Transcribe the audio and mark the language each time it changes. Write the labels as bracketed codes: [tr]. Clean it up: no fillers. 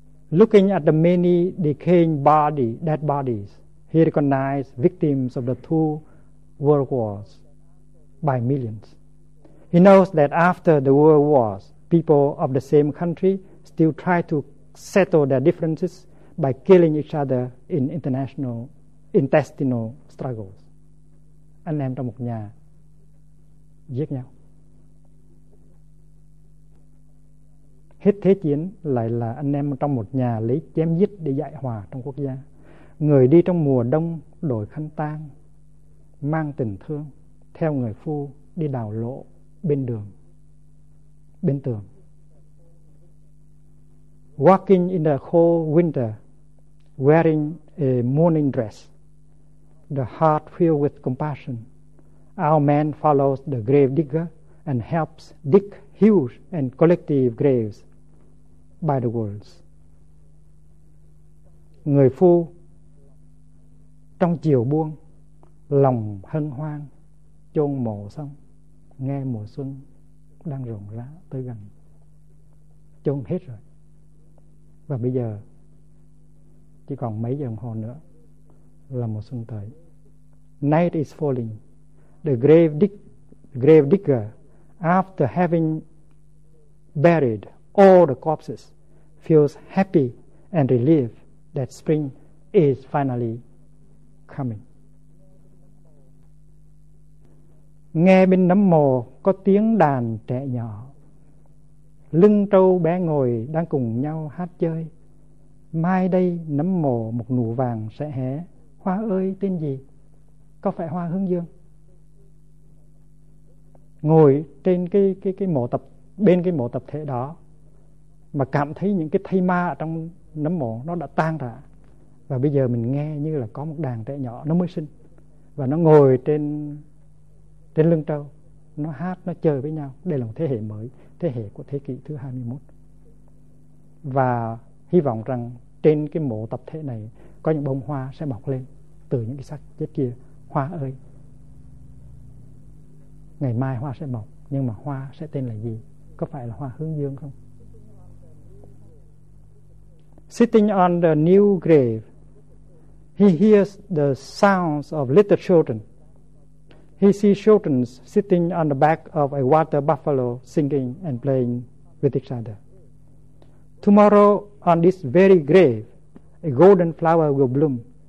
[en] Looking at the many decaying dead bodies, he recognized victims of the two world wars by millions. He knows that after the world wars, people of the same country still try to settle their differences by killing each other in international intestinal struggles. [vi] Anh em trong một nhà giết nhau. Hết thế chiến lại là anh em trong một nhà lấy chém giết để giải hòa trong quốc gia. Người đi trong mùa đông đổi khăn tang, mang tình thương theo người phu đi đào lộ bên đường, bên tường. Walking in the cold winter, wearing a mourning dress, the heart filled with compassion, our man follows the grave digger and helps dig huge and collective graves by the walls. Người phu trong chiều buông, lòng hân hoan chôn mộ xong, nghe mùa xuân đang rộn rã tới gần, chôn hết rồi. Và bây giờ chỉ còn mấy giờ đồng hồ nữa là mùa xuân tới. [en] Night is falling. The grave digger, after having buried all the corpses, feels happy and relieved that spring is finally coming. [vi] Nghe bên nấm mồ có tiếng đàn trẻ nhỏ, lưng trâu bé ngồi đang cùng nhau hát chơi. Mai đây nấm mồ một nụ vàng sẽ hé, hoa ơi tên gì? Có phải hoa hướng dương? Ngồi trên cái mộ tập, bên cái mộ tập thể đó, mà cảm thấy những cái thây ma ở trong nấm mộ nó đã tan ra. Và bây giờ mình nghe như là có một đàn trẻ nhỏ nó mới sinh, và nó ngồi trên lưng trâu, nó hát, nó chơi với nhau. Đây là một thế hệ mới, thế hệ của thế kỷ thứ 21. Và hy vọng rằng trên cái mộ tập thể này có những bông hoa sẽ mọc lên từ những cái xác chết kia. Hoa ơi, ngày mai hoa sẽ mọc, nhưng mà hoa sẽ tên là gì? Có phải là hoa hướng dương không? [en] Sitting on the new grave, he hears the sounds of little children. He sees children sitting on the back of a water buffalo singing and playing with each other. Tomorrow, on this very grave, a golden flower will bloom.